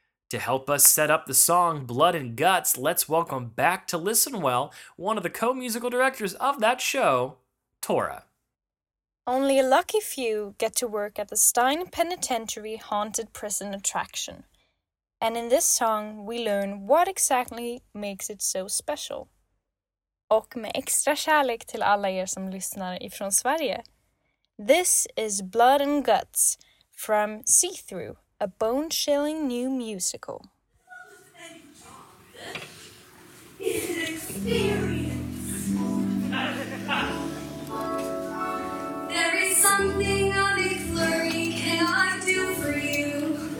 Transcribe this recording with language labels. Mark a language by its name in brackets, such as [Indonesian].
[English] To help us set up the song Blood and Guts, let's welcome back to Listen Well one of the co-musical directors of that show, Tora. Only a lucky few get to work at the Stein Penitentiary Haunted Prison attraction. And in this song, we learn what exactly makes it so special. [Swedish] Och med extra kärlek till alla er som lyssnar ifrån Sverige. [English] This is Blood and Guts from See-Through. A bone-chilling new musical. It's an experience. There is something a McFlurry cannot do for you.